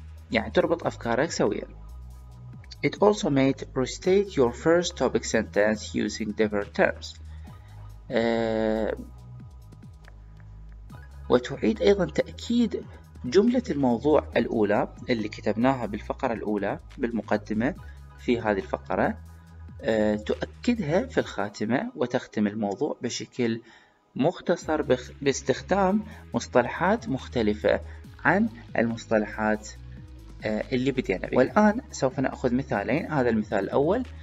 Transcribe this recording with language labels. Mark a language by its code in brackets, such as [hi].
[ar] يعني تربط أفكارك سويا. [en] It also made restate your first topic sentence using different terms. [ar] وتعيد أيضا تأكيد جملة الموضوع الأولى اللي كتبناها بالفقرة الأولى بالمقدمة في هذه الفقرة، تؤكدها في الخاتمة وتختم الموضوع بشكل مختصر باستخدام مصطلحات مختلفة عن المصطلحات اللي بدينا بيه. والآن سوف نأخذ مثالين. هذا المثال الأول،